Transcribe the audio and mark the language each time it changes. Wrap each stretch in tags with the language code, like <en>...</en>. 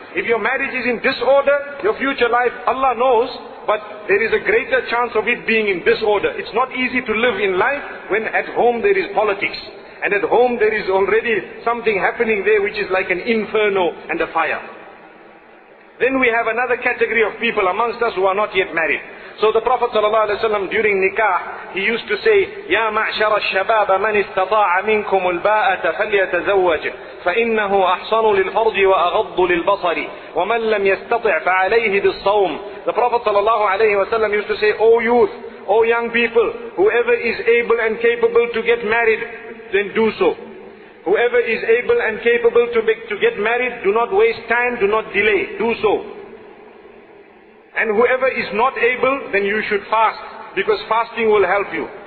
<en>If your marriage is in disorder, your future life, Allah knows, but there is a greater chance of it being in disorder. It's not easy to live in life when at home there is politics. And at home there is already something happening there which is like an inferno and a fire. Then we have another category of people amongst us who are not yet married. So the Prophet sallallahu alaihi wasallam during nikah, he used to say,</en> <ar>يَا مَعْشَرَ الشَّبَابَ مَنِ اسْتَطَاعَ مِنْكُمُ الْبَاءَةَ فَلْيَتَزَوَّجْ فَإِنَّهُ أَحْصَنُ لِلْفَرْجِ وَأَغَضُّ لِلْبَصَرِ وَمَنْ لَمْ يَسْتَطِعْ فَعَلَيْهِ بِالصَّوْمِ.</ar> <en>The Prophet sallallahu alaihi wasallam used to say, O youth, O young people, whoever is able and capable to get married, then do so. Whoever is able and capable to get married, do not waste time, do not delay, do so. And whoever is not able, then you should fast, because fasting will help you.</en>